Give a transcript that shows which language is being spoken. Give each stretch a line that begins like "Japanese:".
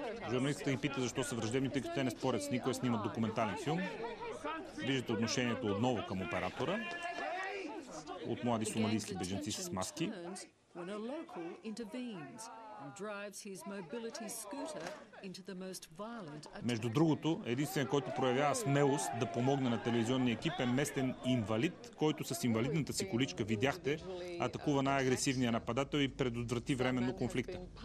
Bulgarian: Журналистите ги питат защо са враждебни, тъй като те не спорят с никой, снимат документален филм. Виждате отношението отново към оператора от млади сомалийски бежанци с маски.
English: When a local intervenes and drives his mobility scooter into the most violent attack.
Bulgarian: Между другото, единственият, който проявява смелост да помогне на телевизионния екип, е местен инвалид, който с инвалидната си количка, видяхте, атакува най-агресивния нападател и предотврати временно конфликта.